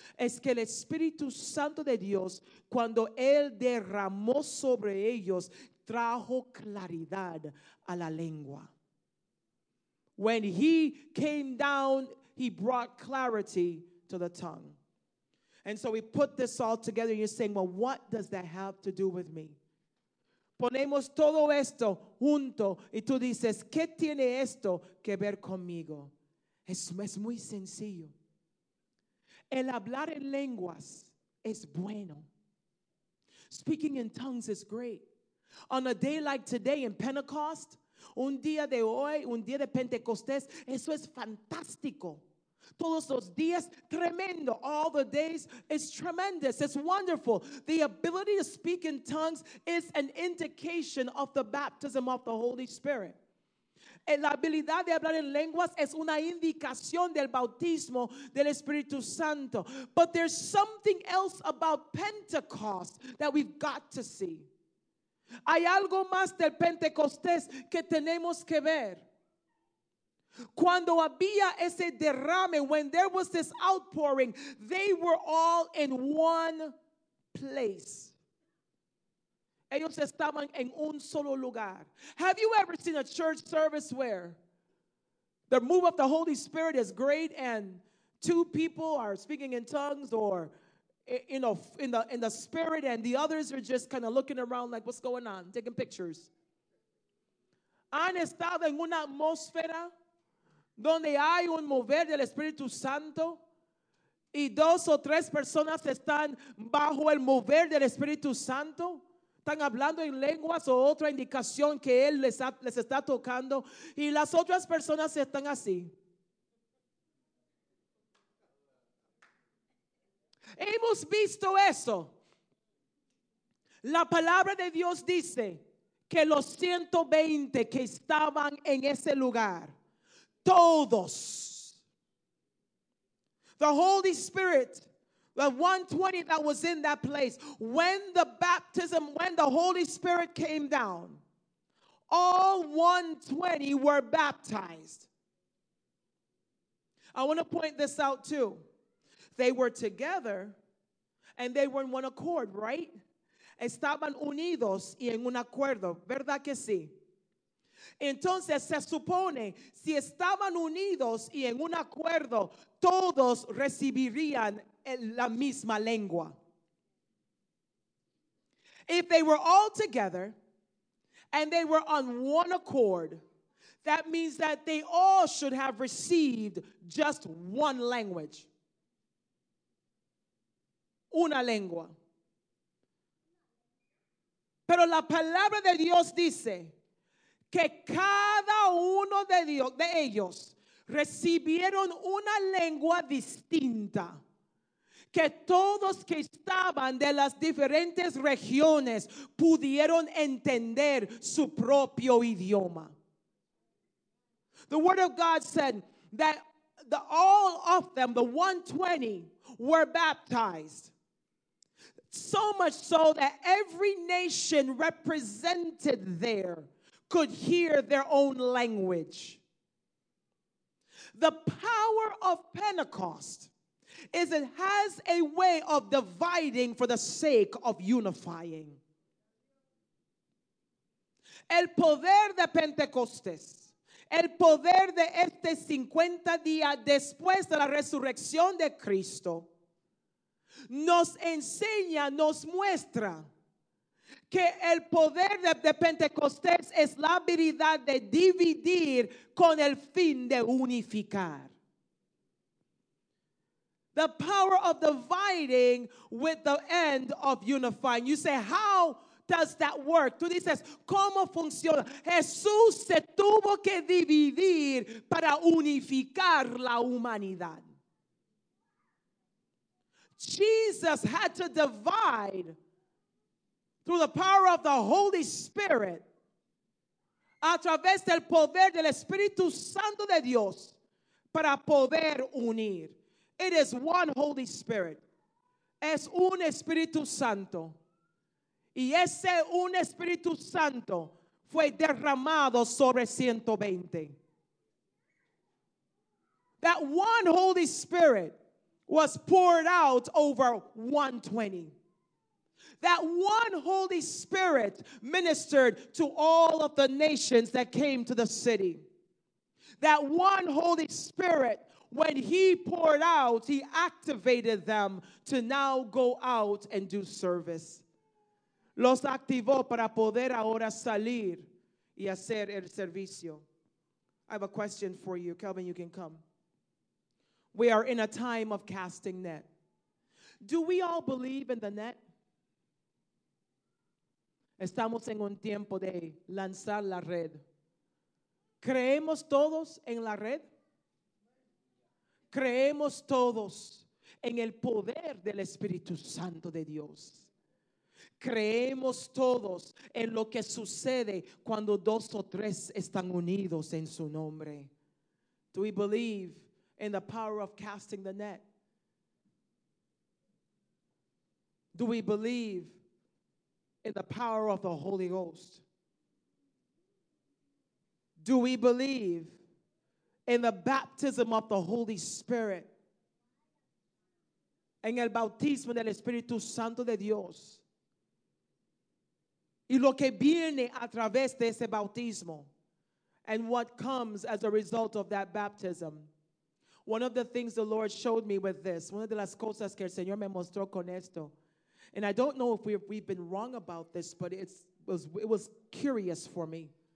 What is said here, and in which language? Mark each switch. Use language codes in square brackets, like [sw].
[es] Es que el Espíritu Santo de Dios, cuando Él derramó sobre ellos, trajo claridad a la lengua. [en] When He came down, He brought clarity to the tongue. And so we put this all together and you're saying, well, what does that have to do with me? [es] Ponemos todo esto junto y tú dices, ¿qué tiene esto que ver conmigo? Es muy sencillo. El hablar en lenguas es bueno. [en] Speaking in tongues is great. On a day like today in Pentecost, [es] un día de hoy, un día de Pentecostés, eso es fantástico. Todos los días, tremendo. [en] All the days, it's tremendous. It's wonderful. The ability to speak in tongues is an indication of the baptism of the Holy Spirit. [es] La habilidad de hablar en lenguas es una indicación del bautismo del Espíritu Santo. [en] But there's something else about Pentecost that we've got to see. [es] Hay algo más del Pentecostés que tenemos que ver. Cuando había ese derrame, [en] when there was this outpouring, they were all in one place. [es] Ellos estaban en un solo lugar. [en] Have you ever seen a church service where the move of the Holy Spirit is great and two people are speaking in tongues or, you know, in the spirit and the others are just kind of looking around like, what's going on, taking pictures? [es] ¿Han estado en una atmósfera donde hay un mover del Espíritu Santo y dos o tres personas están bajo el mover del Espíritu Santo, están hablando en lenguas o otra indicación que Él les está tocando y las otras personas están así? Hemos visto eso. La palabra de Dios dice que los 120 que estaban en ese lugar, todos. [en] The Holy Spirit, the 120 that was in that place, when the Holy Spirit came down, all 120 were baptized. I want to point this out too. They were together and they were in one accord, right? [es] Estaban unidos y en un acuerdo, ¿verdad que sí? Entonces se supone, si estaban unidos y en un acuerdo, todos recibirían la misma lengua. [en] If they were all together and they were on one accord, that means that they all should have received just one language. [es] Una lengua. Pero la palabra de Dios dice que cada uno de ellos recibieron una lengua distinta. Que todos que estaban de las diferentes regiones pudieron entender su propio idioma. [en] The word of God said that all of them, the 120, were baptized. So much so that every nation represented there could hear their own language. The power of Pentecost is it has a way of dividing for the sake of unifying. [es] El poder de Pentecostés, el poder de este 50 días después de la resurrección de Cristo, nos enseña, nos muestra que el poder de Pentecostés es la habilidad de dividir con el fin de unificar. [en] The power of dividing with the end of unifying. You say, how does that work? [es] Tú dices, ¿cómo funciona? Jesús se tuvo que dividir para unificar la humanidad. [en] Jesus had to divide through the power of the Holy Spirit, [es] a través del poder del Espíritu Santo de Dios, para poder unir. [en] It is one Holy Spirit. [es] Es un Espíritu Santo. Y ese un Espíritu Santo fue derramado sobre 120. [en] That one Holy Spirit was poured out over 120. That one Holy Spirit ministered to all of the nations that came to the city. That one Holy Spirit, when he poured out, he activated them to now go out and do service. [es] Los activó para poder ahora salir y hacer el servicio. [en] I have a question for you. Kelvin, you can come. We are in a time of casting net. Do we all believe in the net? [es] Estamos en un tiempo de lanzar la red. ¿Creemos todos en la red? ¿Creemos todos en el poder del Espíritu Santo de Dios? ¿Creemos todos en lo que sucede cuando dos o tres están unidos en su nombre? [en] Do we believe in the power of casting the net? Do we believe in the power of the Holy Ghost? Do we believe in the baptism of the Holy Spirit? [es] En el bautismo del Espíritu Santo de Dios. Y lo que viene a través de ese bautismo. [en] And what comes as a result of that baptism. One of the things the Lord showed me with this. One of the [es] las cosas que el Señor me mostró con esto. [en] And I don't know if we've been wrong about this, but it was curious for me.